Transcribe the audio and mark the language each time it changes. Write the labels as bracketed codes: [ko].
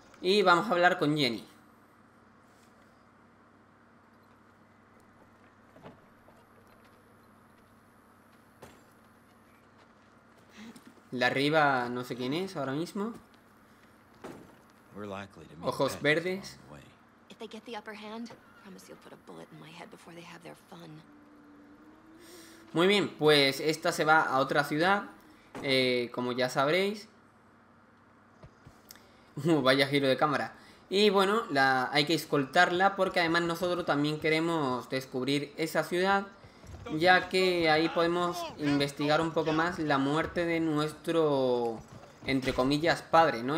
[es] Y vamos a hablar con Jenny. De arriba, no sé quién es ahora mismo. [en] We're likely to meet [es] Ojos [en] bandits [es] verdes. [en] along the way. If they get the upper hand, promise you'll put a bullet in my head before they have their fun. [es] Muy bien, pues esta se va a otra ciudad, como ya sabréis. Vaya giro de cámara. Y bueno, hay que escoltarla porque además nosotros también queremos descubrir esa ciudad, ya que ahí podemos investigar un poco más la muerte de nuestro, entre comillas, padre, ¿no?